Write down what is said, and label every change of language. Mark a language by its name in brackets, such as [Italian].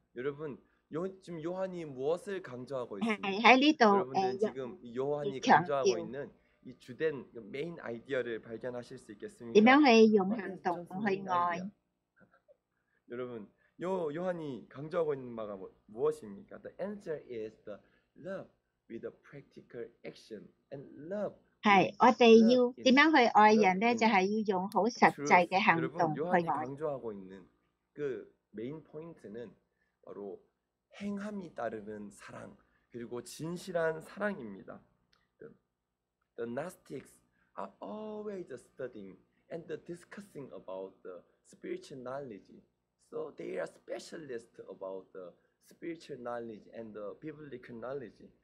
[Korean] 여러분, 지금 요한이 무엇을 강조하고 있습니까? 여러분은 지금 요한이 강조하고 있는 이 주된 메인 아이디어를 발견하실 수 있겠습니다. 이명회의 용행동회의 여러분, 요한이 강조하고 있는 바가 무엇입니까? [English] The answer is the love with a practical action and love. [Cantonese] 係，我哋要點樣去愛人咧？就係要用好實際嘅行動去愛。 [Korean] 여러분，요한이 강조하고 있는 그 메인 포인트는 바로 행함이 따르는 사랑 그리고 진실한 사랑입니다. [English] The Gnostics are always studying and discussing about the spiritual knowledge. So they are specialists about the spiritual knowledge and the biblical knowledge.